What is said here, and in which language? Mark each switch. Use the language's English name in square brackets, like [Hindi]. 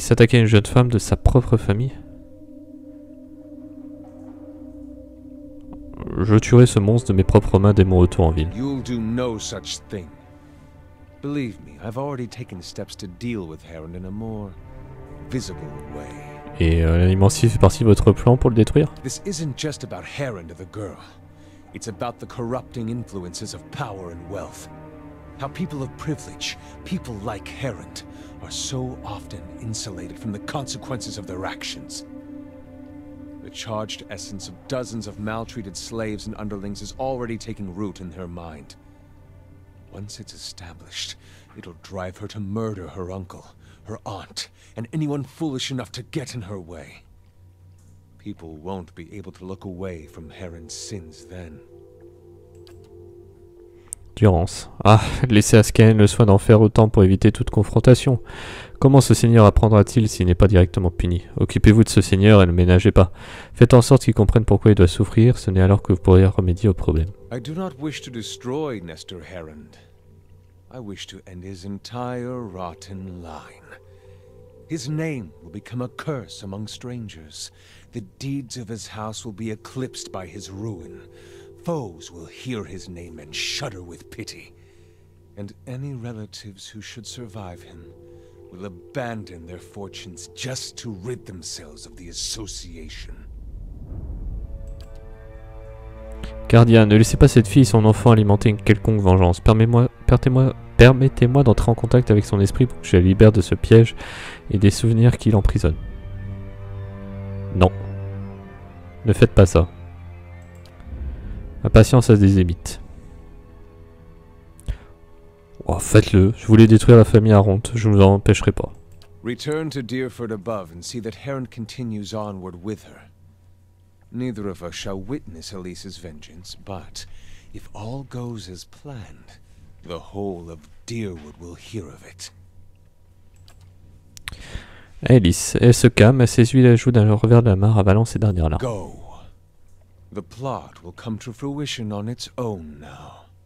[French] S'attaquer à une jeune femme de sa propre famille. Je tuerai ce monstre de mes propres mains dès mon retour en ville. [English] You'll do no such thing. Believe me, I've already taken steps to deal with Heron in a more visible way. [French] Et l'immensif fait partie de votre plan pour le détruire? [English] This isn't just about Heron or the girl. It's about the corrupting influences of power and wealth. How people of privilege, people like Heron, are so often insulated from the consequences of their actions. The charged essence of dozens of maltreated slaves and underlings is already taking root in her mind. Once it's established, it'll drive her to murder her uncle, her aunt, and anyone foolish enough to get in her way. people won't be able to look away from Heron's sins then. [French] Durance. Ah, laissez Ascaen le soin d'en faire autant pour éviter toute confrontation. Comment ce seigneur apprendra-t-il s'il n'est pas directement puni? Occupez-vous de ce seigneur et ne ménagez pas. Faites en sorte qu'il comprenne pourquoi il doit souffrir, ce n'est alors que vous pourrez remédier au problème. [English] I do not wish to destroy Nestor Herond. I wish to end his entire rotten line. His name will become a curse among strangers. The deeds of his house will be eclipsed by his ruin. Foes will hear his name and shudder with pity. And any relatives who should survive him will abandon their fortunes just to rid themselves of the association. [French] Gardien, ne laissez pas cette fille et son enfant alimenter une quelconque vengeance. Permettez-moi d'entrer en contact avec son esprit pour que je la libère de ce piège et des souvenirs qui l'emprisonnent. Non. Ne faites pas ça. Ma patience a des limites. Oh, faites-le. Je voulais détruire la famille Aronte. Je ne vous en empêcherai pas. [English] Return to Deerford above and see that Heron continues onward with her. Neither of us shall witness Elise's vengeance, but if all goes as planned, the whole of Deerwood will hear of it. [French] Elise, elle se calme, elle s'essuie la joue d'un revers de la main, avalant ses dernières larmes. [English] Go. The plot will come to fruition on its own now.